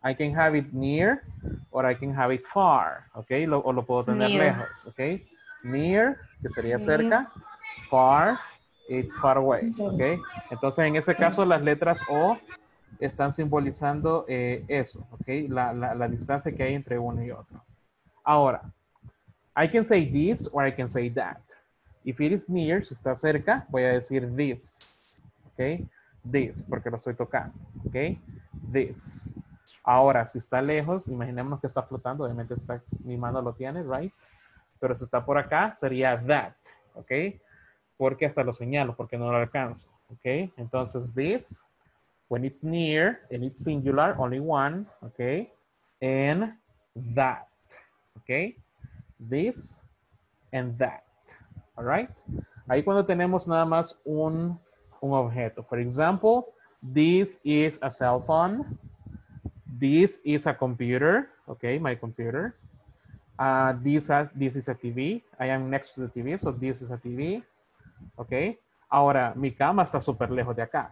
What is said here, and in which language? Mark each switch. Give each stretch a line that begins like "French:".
English: I can have it near or I can have it far, okay?
Spanish: Lo puedo tener near. Lejos, okay? Near, que sería cerca, far,
English: it's far away,
Spanish: okay? Entonces, en ese caso, las letras O están simbolizando eso, okay? La distancia que hay entre uno y otro.
English: Ahora, I can say this or I can say that. If it is near,
Spanish: si está cerca, voy a decir this, okay? This, porque lo estoy tocando, okay? This. Ahora, si está lejos, imaginemos que está flotando, obviamente está, mi mano lo tiene, right? Pero si está por acá, sería that, okay? Porque hasta lo señalo, porque no lo alcanzo, okay?
English: Entonces, this, when it's near, and it's singular, only one, okay? And that, okay? This and that, all right?
Spanish: Ahí cuando tenemos nada más un objeto.
English: For example, this is a cell phone. This is a computer, okay? My computer. This is a TV. I am next to the TV, so this is a TV.
Spanish: Okay, ahora mi cama está súper lejos de acá.